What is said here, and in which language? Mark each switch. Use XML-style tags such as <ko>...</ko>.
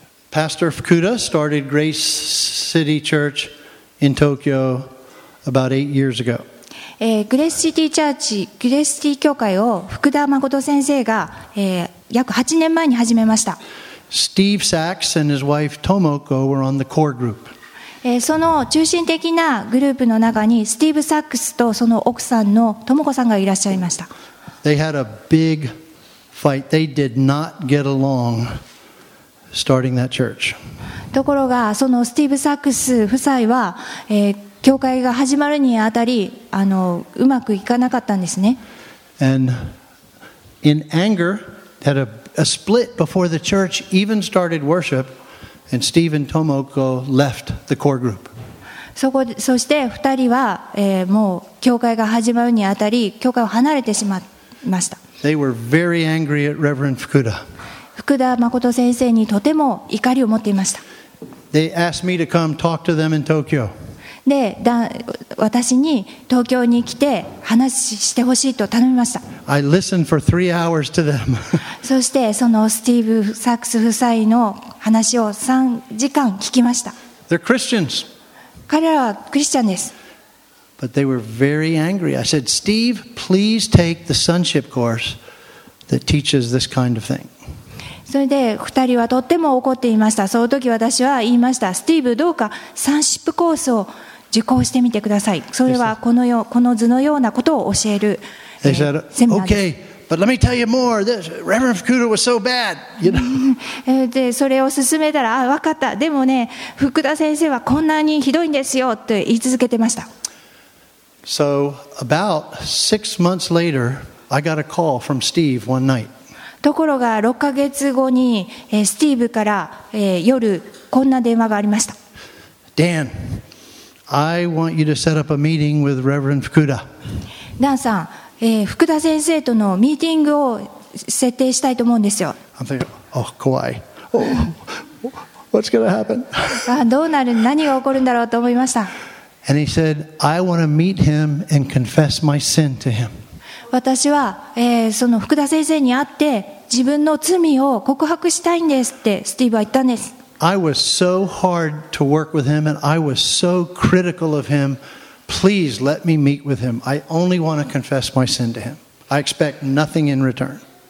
<en>Pastor Fukuda started Grace City Church in Tokyo about 8 years ago.</en> <ja>グレスシティ教会を福田誠先生が、約8年前に始めました。</ja> <en>Steve Sachs and his wife Tomoko were on the core group.</en> <ja>その中心的なグループの中にスティーブ・サックスとその奥さんのトモコさんがいらっしゃいました。</ja> <en>They had a big fight. They did not get along starting that church.</en> <ja>ところがそのスティーブ・サックス夫妻は、教会が始まるにあたりうまくいかなかったんですね。</ja> <en>And in anger had a split before the church even started worship. And Steve and Tomoko left the core group.</en> <ja>そして2人は、もう教会が始まるにあたり教会を離れてしまいました。</ja> <en>They were very angry at Reverend Fukuda.</en> <ja>福田誠先生にとても怒りを持っていました。</ja> <en>They asked me to come talk to them in Tokyo.</en> <ja>で、私に東京に来て話してほしいと頼みました。</ja> <en>I listened for 3 hours to them.</en> <ja>そしてそのスティーブ・サックス夫妻の話を3時間聞きました。</ja> <en>They're Christians.</en> <ja>彼らはクリスチャンです。</ja> <en>But they were very angry. I said, Steve, please take the sonship course that teaches this kind of thing.</en> <ja>それで2人はとっても怒っていました。その時私は言いました。スティーブ、どうかサンシップコースを受講してみてください。それはこの図のようなことを教える。</ja> <en>They said, okay, but let me tell you more. This, Reverend Fukuda was so bad, you know.</en> <ja>で、それを進めたら、あ、わかった。でもね、福田先生はこんなにひどいんですよと言い続けてました。</ja> <en>So about six months later, I got a call from Steve one night.</en> <ja>ところが6ヶ月後にスティーブから夜こんな電話がありました。</ja> <en>Dan, I want you to set up a meeting with Reverend Fukuda.</en> <ja>Dan さん、福田先生とのミーティングを設定したいと思うんですよ。</ja> <en>I'm thinking, oh,</en> <ja>怖い。</ja> <en>Oh, what's gonna happen?</en> <ja>どうなる、何が起こるんだろうと思いました。</ja> <en>And he said, I want to meet him and confess my sin to him.</en> <ja>私は、その福田先生に会って自分の罪を告白したいんですってスティーブは言ったんです。</ja> <en>I was so hard to work with him and I was so critical of him. Please let me meet with him. I only want to confess my sin to him. I expect nothing in return.</en>